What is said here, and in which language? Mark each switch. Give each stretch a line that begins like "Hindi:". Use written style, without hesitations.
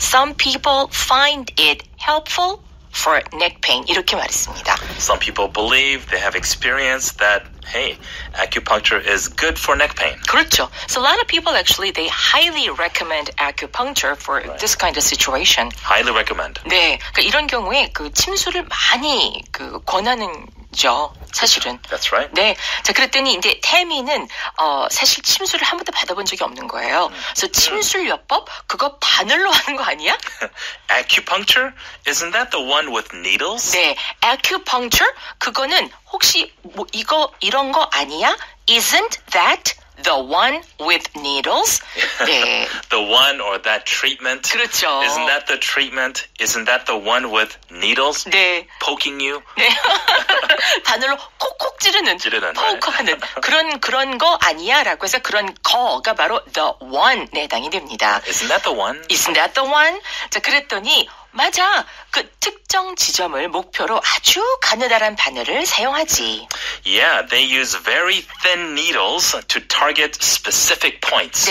English: Some people find it helpful for neck pain.
Korean: 이렇게 말했습니다.
English: Some people believe they have experienced that hey, acupuncture is good for neck pain.
Korean: 그렇죠.
English: So a lot of people actually they highly recommend acupuncture for right. this kind of situation. Highly recommend.
Korean: 네. 그러니까 이런 경우에 그 침수를 많이 그 권하는 죠 사실은
English: That's right.
Korean: 네. 자 그랬더니 이제 태미는 어 사실 침술을 한 번도 받아본 적이 없는 거예요. 그래서 침술요법 그거 바늘로 하는 거 아니야?
English: Acupuncture? Isn't that the one with needles?
Korean: 네. Acupuncture? 그거는 혹시 뭐 이거 이런 거 아니야?
English: Isn't that The one with needles? 네. The one or that treatment?
Korean: 그렇죠.
English: Isn't that the treatment? Isn't that the one with needles?
Korean: 네.
English: Poking you?
Korean: 네. 바늘로 콕콕 찌르는, 포커하는 그런 거 아니야? 라고 해서 그런 거가 바로 the one에 해당이 됩니다.
English: Isn't that the one? Isn't that the one? 자,
Korean: 그랬더니 맞아. 그 특정 지점을 목표로 아주 가느다란 바늘을 사용하지.
English: Yeah, they use very thin needles to target specific points.